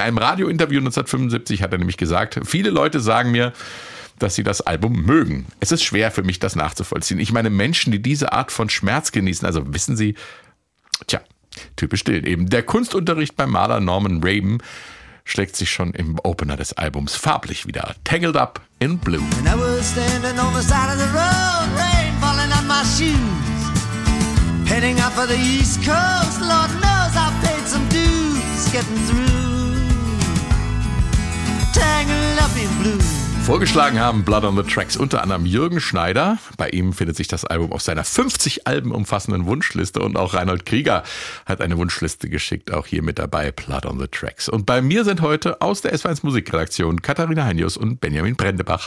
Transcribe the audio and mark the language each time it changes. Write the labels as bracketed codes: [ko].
[de] In einem Radiointerview 1975 hat er nämlich gesagt, viele Leute sagen mir, dass sie das Album mögen. Es ist schwer für mich, das nachzuvollziehen. Ich meine Menschen, die diese Art von Schmerz genießen, also wissen sie, tja, typisch Dylan eben. Der Kunstunterricht beim Maler Norman Raven schlägt sich schon im Opener des Albums farblich wieder. [en] Tangled Up in Blue. When I was standing on the side of the road, rain falling on my shoes, heading up for the East Coast, Lord knows I paid some dues, getting through, tangled up in blue. [de] Vorgeschlagen haben Blood on the Tracks unter anderem Jürgen Schneider. Bei ihm findet sich das Album auf seiner 50 Alben umfassenden Wunschliste und auch Reinhold Krieger hat eine Wunschliste geschickt, auch hier mit dabei, Blood on the Tracks. Und bei mir sind heute aus der SWR1 Musikredaktion Katharina Heinius und Benjamin Brendebach.